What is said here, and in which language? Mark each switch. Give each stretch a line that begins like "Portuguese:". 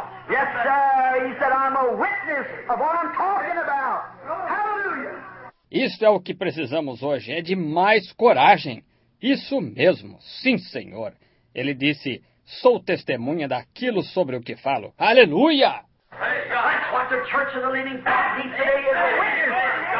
English: Yes, sir. He said, I'm a witness of what I'm talking about. Hallelujah.
Portuguese: Isto é o que precisamos hoje. É de mais coragem. Isso mesmo. Sim, Senhor. Ele disse, sou testemunha daquilo sobre o que falo. Aleluia.
English: That's what the Church of the Living God needs today is a witness.